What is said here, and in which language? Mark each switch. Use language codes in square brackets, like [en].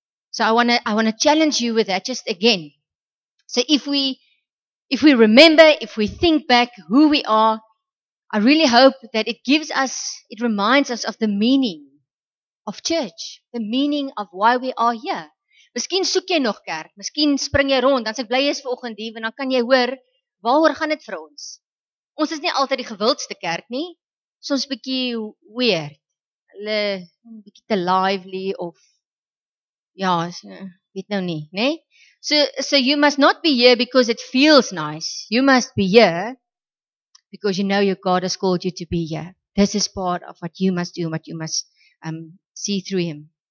[en] So I wanna challenge you with that just again. So if we remember, if we think back who we are, I really hope that it reminds us of the meaning of church, the meaning of why we are here. [af] Miskien soek jy nog kerk, miskien spring jy rond, dan sê bly jy is vanoggend hier, want dan kan jy hoor, waaroor gaan dit vir ons? Ons is nie altyd die gewildste kerk nie, soms bietjie weird, hulle bietjie te lively of, ja, weet nou nie, nee? [en] So you must not be here because it feels nice. You must be here because you know your God has called you to be here. This is part of what you must do, what you must see through Him.